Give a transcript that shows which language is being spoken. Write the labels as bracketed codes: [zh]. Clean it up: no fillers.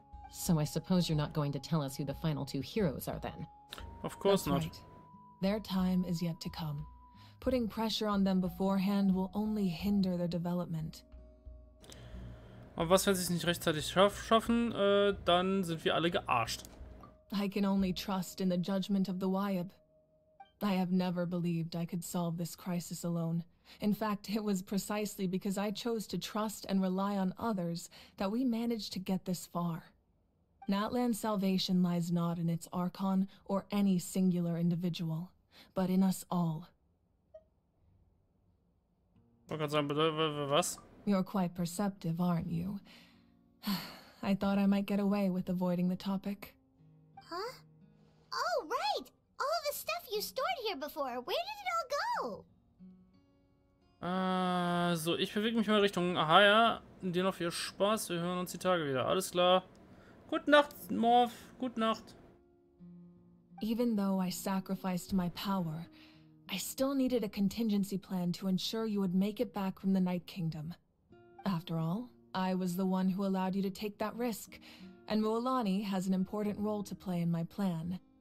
[en] So I suppose you're not going to tell us who the final two heroes are then. Of course not. Right. Their time is yet to come. Putting pressure on them beforehand will only hinder their development. [de] Und was, wenn sie es nicht rechtzeitig schaffen, dann sind wir alle gearscht. [en] I can only trust in the judgment of the Wyab. I have never believed I could solve this crisis alone. In fact, it was precisely because I chose to trust and rely on others that we managed to get this far. Natlan's salvation lies not in its Archon or any singular individual, but in us all. [de] Was? [en] You're quite perceptive, aren't you? I thought I might get away with avoiding the topic. Huh? Oh, right! All of the stuff you stored here before, where did it all go? [de] So, ich bewege mich mal Richtung Ahaya. Dir noch viel Spaß, wir hören uns die Tage wieder. Alles klar. Gute Nacht, Morph. Gute Nacht. [en] Even though I sacrificed my power, I still needed a contingency plan to ensure you would make it back from the Night Kingdom. After all, I was the one who allowed you to take that risk, and Mualani has an important role to play in my plan.